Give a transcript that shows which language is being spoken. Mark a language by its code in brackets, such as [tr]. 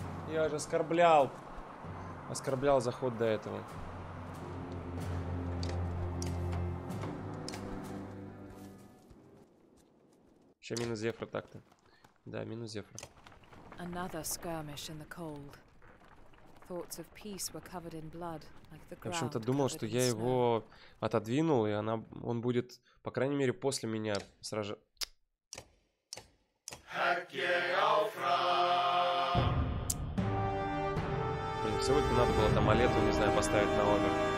[ru] Я же оскорблял. Оскорблял заход до этого. Сейчас минус Зефра так-то. Да, минус Зефра. [en] Another skirmish in the cold. Thoughts of peace were covered in blood, like the ground. [ru] В общем-то, думал, что я его отодвинул, и она, он будет, по крайней мере, после меня сражаться. Блин, всего-то надо было там Алету, не знаю, поставить на овер.